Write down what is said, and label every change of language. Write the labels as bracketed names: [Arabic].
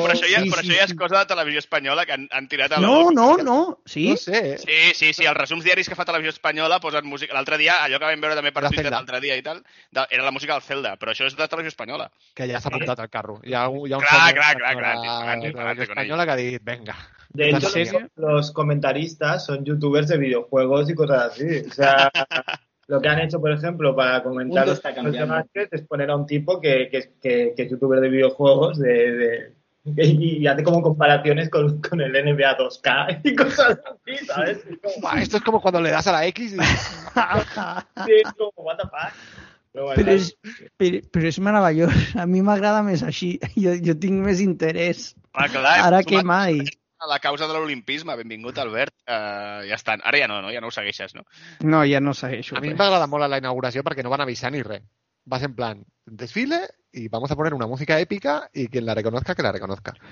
[Catalan] Però això ja és cosa de Televisió Espanyola que han tirat a la... No. Sí? No sé. Sí, els resums diaris que fa Televisió Espanyola posen música. L'altre dia, allò que vam veure també per Twitter l'altre dia i tal, era la música del Zelda, però això és de Televisió Espanyola. Que ja s'ha apuntat al carro. Clar. Que ha dit, venga. [Spanish] De hecho, los comentaristas son youtubers de videojuegos y cosas así. O sea... Lo que han hecho, por ejemplo, para comentar los temas es poner a un tipo que es youtuber de videojuegos y hace como comparaciones con el NBA 2K y cosas así, ¿sabes? Como... Esto es como cuando le das a la X y... Sí, es como, [English] what the fuck. [Catalan] Però és meravellós. A mi m'agrada més així. Jo tinc més interès. Ah, clar, ara que mai. A la causa de l'olimpisme, benvingut, Albert. Ja estan. Ara ja no ho segueixes, no? No, ja no segueixo. A mi m'agrada molt la inauguració perquè no van avisar ni res. [Spanish] Vas en plan, desfile i vamos a poner una música èpica i quien la reconozca, que la reconozca.